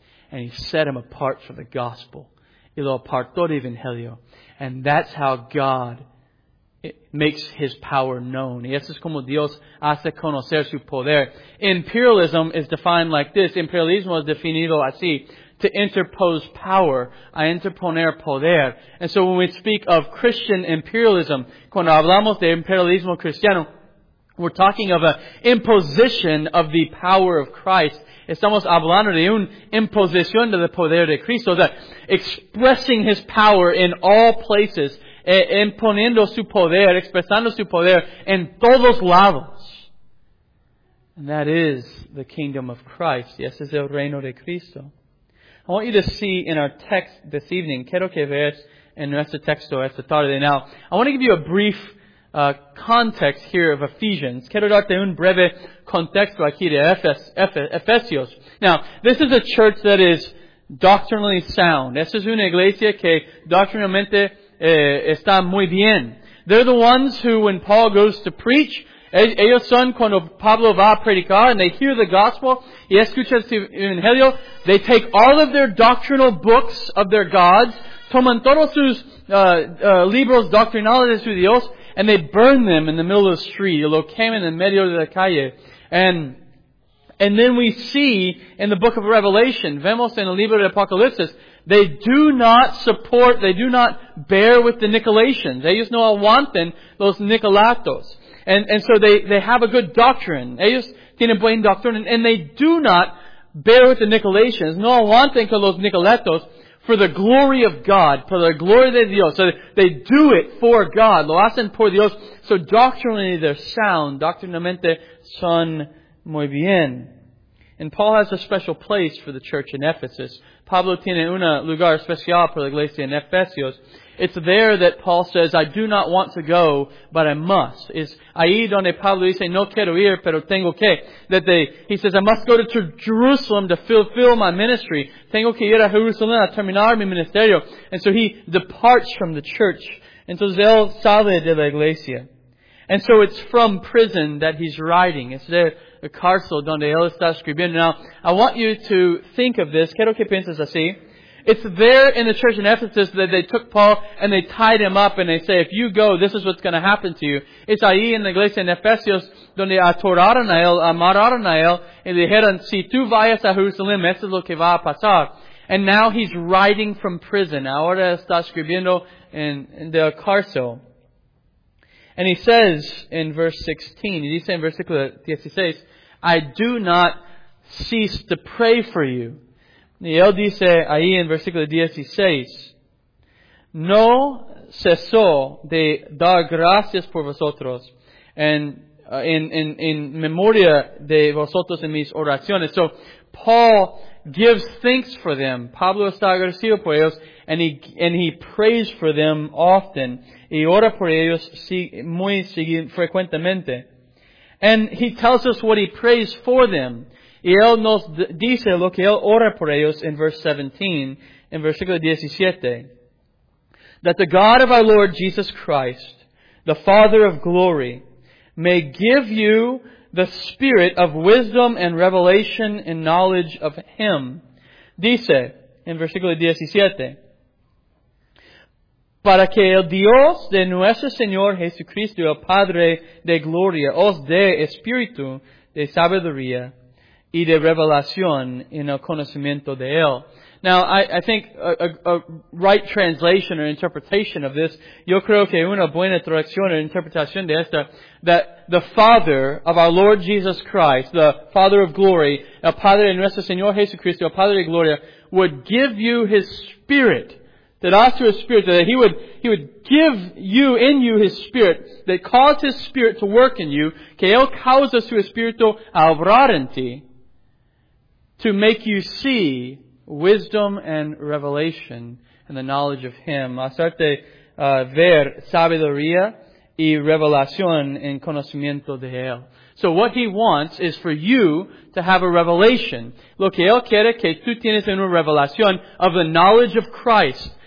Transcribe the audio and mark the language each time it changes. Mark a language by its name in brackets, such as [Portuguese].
[English] And He set him apart for the gospel. [Spanish] Y lo apartó de Evangelio. [English] And that's how God makes His power known. [Spanish] Y eso es como Dios hace conocer su poder. [English] Imperialism is defined like this. [Spanish] Imperialismo es definido así. [English] To interpose power, [Spanish] a interponer poder. [English] And so when we speak of Christian imperialism, [Spanish] cuando hablamos de imperialismo cristiano, [English] we're talking of an imposition of the power of Christ. [Spanish] Estamos hablando de una imposición del poder de Cristo, [English] that expressing His power in all places, [Spanish] imponiendo su poder, expresando su poder en todos lados. [English] And that is the kingdom of Christ. [Spanish] Y ese es el reino de Cristo. [English] I want you to see in our text this evening, [Spanish] quiero que veas en nuestro texto esta tarde. [English] Now, I want to give you a brief context here of Ephesians. [Spanish] Quiero darte un breve contexto aquí de Efesios. [English] Now, this is a church that is doctrinally sound. [Spanish] Esta es una iglesia que doctrinalmente está muy bien. [English] They're the ones who, when Paul goes to preach, [Spanish] ellos son cuando Pablo va a predicar [English] and they hear the gospel [Spanish] y escuchan su evangelio, [English] they take all of their doctrinal books of their gods, [Spanish] toman todos sus libros doctrinales de su Dios, [English] and they burn them in the middle of the street, [Spanish] lo quemen en medio de la calle. [English] And then we see in the book of Revelation, [Spanish] vemos en el libro de Apocalipsis, [English] they do not support, they do not bear with the Nicolaitans. [Spanish] Ellos no aguantan los Nicolatos. [English] And so they have a good doctrine. [Spanish] Ellos tienen buena doctrina. [English] And they do not bear with the Nicolaitans. [Spanish] No aguantan con los Nicolaitos [English] for the glory of God, for the glory [Spanish] de Dios. [English] So they do it for God. [Spanish] Lo hacen por Dios. [English] So doctrinally they're sound. [Spanish] Doctrinalmente son muy bien. [English] And Paul has a special place for the church in Ephesus. [Spanish] Pablo tiene un lugar especial para la iglesia en Efesios. [English] It's there that Paul says, I do not want to go, but I must. [Spanish] It's ahí donde Pablo dice, no quiero ir, pero tengo que. [English] That they, he says, I must go to Jerusalem to fulfill my ministry. [Spanish] Tengo que ir a Jerusalén a terminar mi ministerio. [English] And so he departs from the church. [Spanish] Entonces él sale de la iglesia. [English] And so it's from prison that he's writing. It's there. [Spanish] The cárcel donde él está escribiendo. [English] Now, I want you to think of this. [Spanish] Quiero que pienses así. [English] It's there in the church in Ephesus that they took Paul and they tied him up and they say, if you go, this is what's going to happen to you. [Spanish] It's ahí en la iglesia en Efesios donde atoraron a él, amarraron a él, y dijeron, si tú vayas a Jerusalén, eso es lo que va a pasar. [English] And now he's writing from prison. [Spanish] Ahora está escribiendo en el cárcel. [English] And he says in verse 16, he says in versículo 16, I do not cease to pray for you. [Spanish] Y él dice ahí en versículo 16, no cesó de dar gracias por vosotros and in memoria de vosotros en mis oraciones. [English] So Paul gives thanks for them. [Spanish] Pablo está agradecido por ellos. [English] And he prays for them often. [Spanish] Y ora por ellos muy frecuentemente. [English] And he tells us what he prays for them. [Spanish] Y él nos dice lo que él ora por ellos [English] in verse 17, [Spanish] in versículo 17. [English] That the God of our Lord Jesus Christ, the Father of glory, may give you the spirit of wisdom and revelation and knowledge of Him. [Spanish] Dice, in versículo 17, para que el Dios de nuestro Señor Jesucristo, el Padre de Gloria, os dé espíritu de sabiduría y de revelación en el conocimiento de Él. [English] Now, I think a right translation or interpretation of this, [Spanish] yo creo que una buena traducción or interpretación de esta, [English] that the Father of our Lord Jesus Christ, the Father of glory, [Spanish] el Padre de nuestro Señor Jesucristo, el Padre de Gloria, [English] would give you His Spirit, that ask to His Spirit, that He would give you, in you, His Spirit, that caused His Spirit to work in you, [Spanish] que Él causa su Espíritu a obrar en ti, [English] to make you see wisdom and revelation and the knowledge of Him. [Spanish] Hacerte ver sabiduría y revelación en conocimiento de Él. [English] So what He wants is for you to have a revelation. [Spanish] Lo que Él quiere que tú tienes una revelación [English] of the knowledge of Christ.